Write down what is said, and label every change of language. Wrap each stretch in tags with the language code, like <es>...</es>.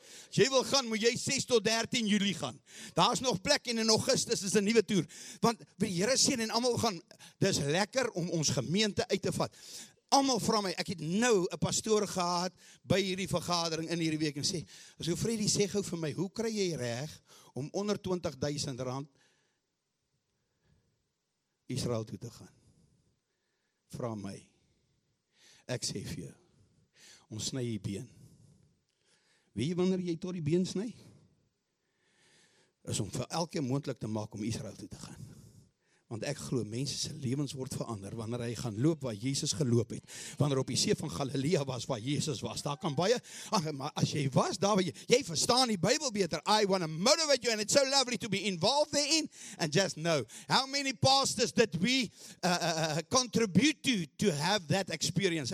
<af>As jy wil gaan, moet jy 6 tot 13 Julie gaan. Daar is nog plek en in Augustus is 'n nuwe toer. Want die Here seën en almal gaan, dis lekker om ons gemeente uit te vat. Almal vra my, ek het nou 'n pastoor gehad by hierdie vergadering in hierdie week en sê, as jy Freddy sê gou vir my, hoe kry jy reg om onder R20,000 Israel toe te gaan. Vra my. Ek sê vir jou, ons sny die been. Weet jy wanneer jy tot die been sny? Is om vir elkeen moontlik te maak om Israel toe te gaan. Want ek glo, mense se lewens word verander, wanneer hy gaan loop waar Jesus geloop het. Wanneer op die see van Galilea was waar Jesus was. Daar kan baie, maar as jy was, daar waar jy verstaan die Bybel beter.</af> <en>I want to motivate you and it's so lovely to be involved therein. And just know, how many pastors that we contribute to have that experience.</en>